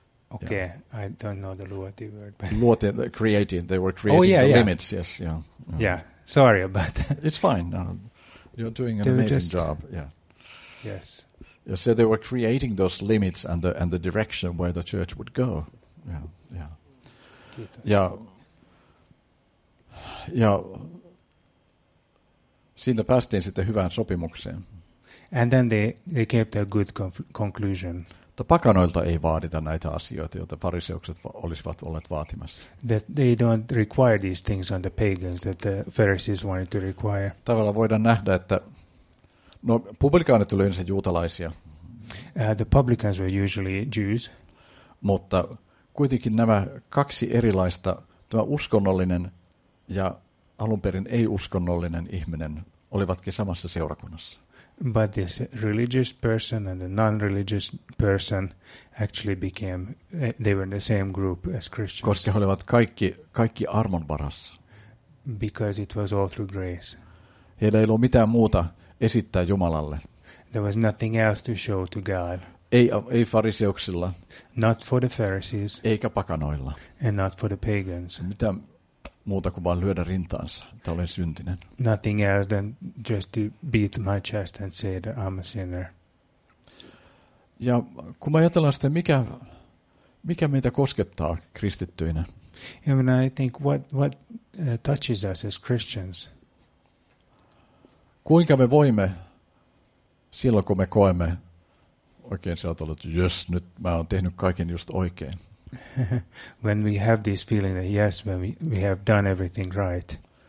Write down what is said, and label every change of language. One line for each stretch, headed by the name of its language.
English: Okay, ja. I don't know the luoti word. But luotiin, creating, they were creating the limits. Yes, yeah. Yeah, sorry about that. It's fine. No, you're doing an amazing job. Yeah. Yes. You said they were creating those limits and the direction where the church would go. Yeah, yeah.
Finnish: Ja. Siinä päästiin sitten hyvään sopimukseen.
English: And then they came to a good conclusion.
Finnish: Mutta pakanoilta ei vaadita näitä asioita, joita fariseukset olisivat olleet vaatimassa.
English: That they don't require these things on the pagans that the Pharisees wanted to require.
Finnish: Tavallaan voidaan nähdä, että no, publikaanit olivat yleensä juutalaisia.
English: The publicans were usually Jews.
Finnish: Mutta kuitenkin nämä kaksi erilaista, tämä uskonnollinen ja alun perin ei-uskonnollinen ihminen olivatkin samassa seurakunnassa.
English: But this religious person and the non-religious person actually became, they were in the same group as Christians.
Finnish: Koska he olivat kaikki armon varassa.
English: Because it was all through grace.
Finnish: Heillä ei ollut mitään muuta esittää Jumalalle.
English: There was nothing else to show to God.
Finnish: Ei fariseuksilla.
English: Not for the Pharisees.
Finnish: Eikä pakanoilla.
English: And not for the pagans.
Finnish: Mitä muuta kuin vaan lyödä rintaansa, että olen syntinen.
English: Nothing else than just to beat my chest and say that I'm a sinner.
Finnish: Ja kun mä ajatellaan sitten, mikä meitä koskettaa kristittyinä.
English: And I think what touches us as Christians.
Finnish: Kuinka me voimme silloin, kun me koemme oikein sieltä ollut, että jos nyt mä oon tehnyt kaiken just oikein.
English: When we have this feeling that yes, when we have done everything right.